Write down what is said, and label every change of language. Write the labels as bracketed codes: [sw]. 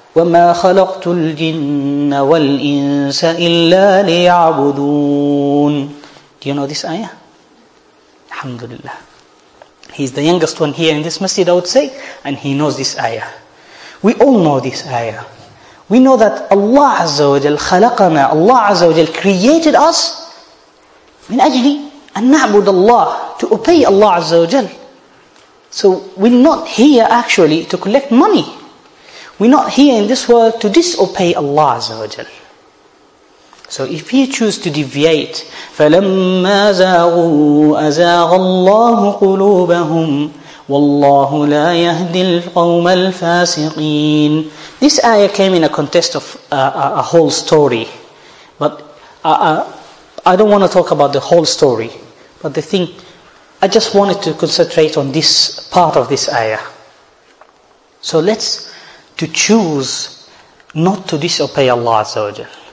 [ar] وَمَا خَلَقْتُ الْجِنَّ وَالْإِنسَ إِلَّا لِيَعْبُدُونَ. [en] Do you know this ayah? Alhamdulillah. He's the youngest one here in this masjid, I would say, and he knows this ayah. We all know this ayah. We know that Allah Azza wa Jal khalaqana, Allah Azza wa Jal created us [ar] من أجل أن نعبد الله, [en] to obey Allah Azza wa Jal. So we're not here actually to collect money. We're not here in this world to disobey Allah Azza wa Jal. So if you choose to deviate, [ar] فَلَمَّا زَاغُوا أَزَاغَ اللَّهُ قُلُوبَهُمْ وَاللَّهُ لَا يَهْدِي الْقَوْمَ الْفَاسِقِينَ. [en] This ayah came in a context of a whole story. But I don't want to talk about the whole story. But the thing, I just wanted to concentrate on this part of this ayah. So let's to choose not to disobey Allah Azza wa Jal.